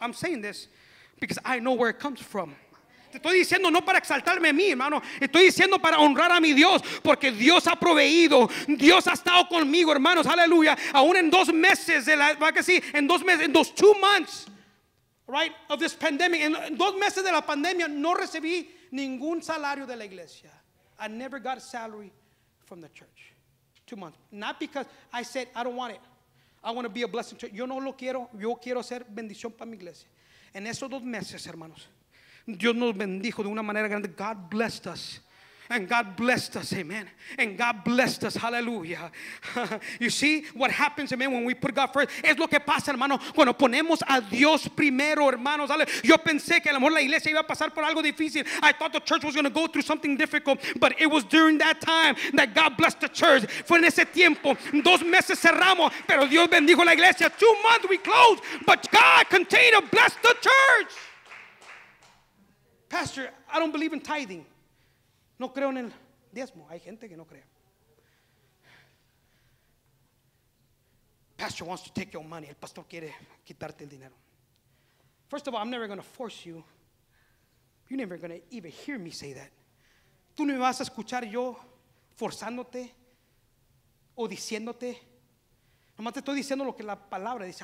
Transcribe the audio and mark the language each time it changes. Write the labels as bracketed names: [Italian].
[English] I'm saying this because I know where it comes from. [Spanish] Te estoy diciendo no para exaltarme a mí, hermano. Estoy diciendo para honrar a mi Dios. Porque Dios ha proveído. Dios ha estado conmigo, hermanos. Aleluya. Aún en dos meses de la. ¿Va que sí? En dos meses. En dos, [English] 2 months. Right? Of this pandemic. [Spanish] En dos meses de la pandemia no recibí ningún salario de la iglesia. [English] I never got a salary from the church. 2 months. Not because I said, I don't want it. I want to be a blessing to you. [Spanish] Yo no lo quiero. Yo quiero ser bendición para mi iglesia. En esos 2 meses, hermanos, Dios nos bendijo de una manera grande. [English] God blessed us. And God blessed us, amen. And God blessed us, hallelujah. You see what happens, amen, when we put God first. [Spanish] Es lo que pasa, hermano, cuando ponemos a Dios primero, hermanos. Yo pensé que a lo mejor la iglesia iba a pasar por algo difícil. [English] I thought the church was going to go through something difficult. But it was during that time that God blessed the church. [Spanish] Fue en ese tiempo. 2 meses cerramos, pero Dios bendijo la iglesia. [English] 2 months we closed, but God continued to bless the church. Pastor, I don't believe in tithing. [Spanish] No creo en el diezmo. Hay gente que no cree. [English] Pastor wants to take your money. [Spanish] El pastor quiere quitarte el dinero. [English] First of all, I'm never going to force you. You're never going to even hear me say that. [Spanish] Tú no me vas a escuchar yo forzándote o diciéndote. Nomás te estoy diciendo lo que la palabra dice.